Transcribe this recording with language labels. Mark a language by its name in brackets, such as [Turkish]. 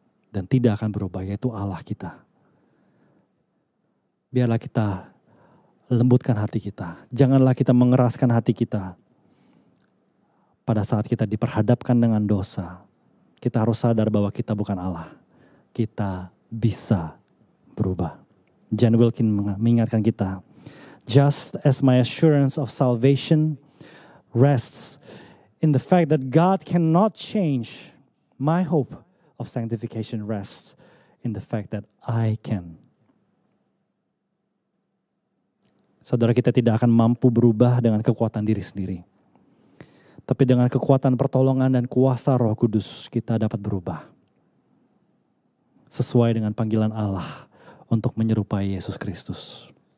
[Indonesian] Dan tidak akan berubah, yaitu Allah kita. Biarlah kita lembutkan hati kita. Janganlah kita mengeraskan hati kita. Pada saat kita diperhadapkan dengan dosa, kita harus sadar bahwa kita bukan Allah. Kita bisa berubah. [English] John Wilkin [Indonesian] mengingatkan kita, [English] just as my assurance of salvation rests in the fact that God cannot change, my hope of sanctification rests in the fact that I can. [Indonesian] Saudara, kita tidak akan mampu berubah dengan kekuatan diri sendiri. Tapi dengan kekuatan pertolongan dan kuasa Roh Kudus, kita dapat berubah. Sesuai dengan panggilan Allah untuk menyerupai Yesus Kristus.